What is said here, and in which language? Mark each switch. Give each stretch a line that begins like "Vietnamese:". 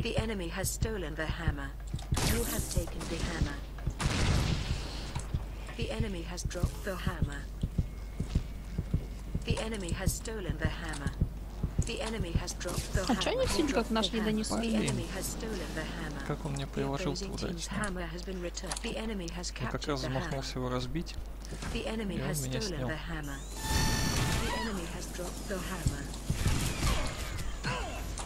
English: The enemy has stolen the hammer. You have taken the hammer. The enemy has dropped the hammer. The enemy has stolen the hammer. The enemy has dropped the hammer.
Russian: А чё они все никак наш не донесли? Как он мне приложил туда? Я как раз замахнулся его разбить.
English: The enemy has stolen the hammer. The enemy has dropped the hammer.